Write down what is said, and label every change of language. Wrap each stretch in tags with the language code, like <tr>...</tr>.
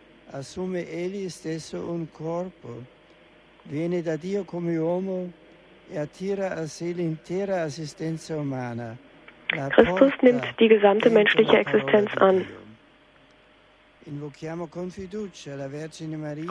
<it>Assume egli stesso un corpo, viene da Dio come uomo e attira a sé l'intera esistenza umana.</it> <de>Christus nimmt die gesamte menschliche Existenz an.</de> <it>Invochiamo con fiducia la Vergine Maria,</it>